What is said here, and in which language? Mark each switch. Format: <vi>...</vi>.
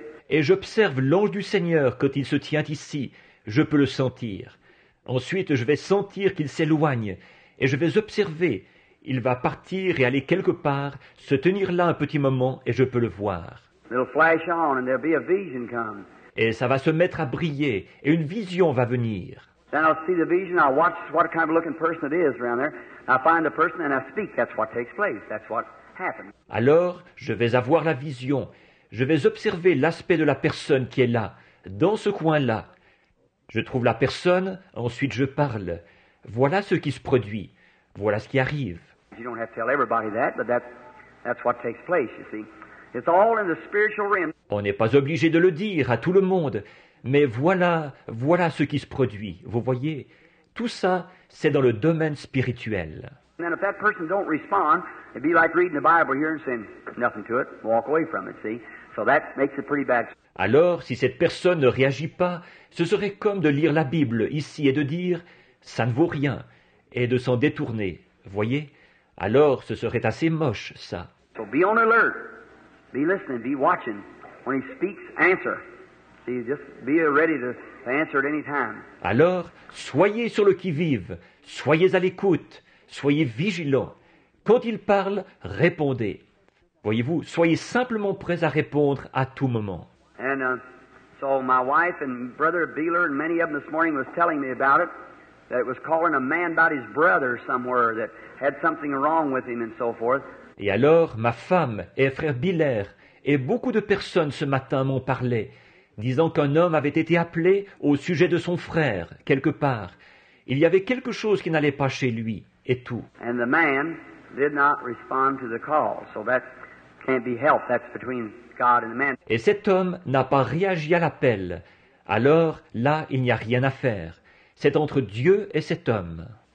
<fr>Et j'observe l'ange du Seigneur quand il se tient ici. Je peux le sentir. Ensuite, je vais sentir qu'il s'éloigne. Et je vais observer. Il va partir et aller quelque part, se tenir là un petit moment et je peux le voir.</fr> <en>It'll flash on and there'll be a vision come.</en> <fr>Et ça va se mettre à briller et une vision va venir.</fr> <en>Then I'll see the vision. I'll watch what kind of looking person it is around there. I find the person and I speak. That's what takes place. That's what happens.</en> <fr>Alors, je vais avoir la vision. Je vais observer l'aspect de la personne qui est là, dans ce coin-là. Je trouve la personne, ensuite je parle. Voilà ce qui se produit. Voilà ce qui arrive.</fr> <en>You don't have to tell everybody that, but that's what takes place, you see. It's all in the spiritual realm.</en> <fr>On n'est pas obligé de le dire à tout le monde, mais voilà ce qui se produit. Vous voyez, tout ça, c'est dans le domaine spirituel.</fr> <en>And then if that person don't respond, it'd be like reading the Bible here and saying nothing to it, walk away from it, see? So that makes it pretty bad.</en> <fr>Alors, si cette personne ne réagit pas, ce serait comme de lire la Bible ici et de dire « ça ne vaut rien » et de s'en détourner, voyez? Alors, ce serait assez moche, ça.</fr> <en>So be on alert. Be listening, be watching. When he speaks, answer. See, just be ready to answer at any time.</en> <fr>Alors, soyez sur le qui-vive, soyez à l'écoute, soyez vigilants. Quand il parle, répondez. Voyez-vous, soyez simplement prêts à répondre à tout moment.</fr> <en>And so my wife and brother Beeler and many of them this morning was telling me about it, that it was calling a man about his brother somewhere that had something wrong with him and so forth.</en> <fr>Et alors, ma femme et frère Beeler et beaucoup de personnes ce matin m'ont parlé, disant qu'un homme avait été appelé au sujet de son frère, quelque part. Il y avait quelque chose qui n'allait pas chez lui, et tout.</fr> <en>And the man did not respond to the call, so that can't be helped, that's between...</en> <fr>Et cet homme n'a pas réagi à l'appel. Alors, là, il n'y a rien à faire. C'est entre Dieu et cet homme.</fr>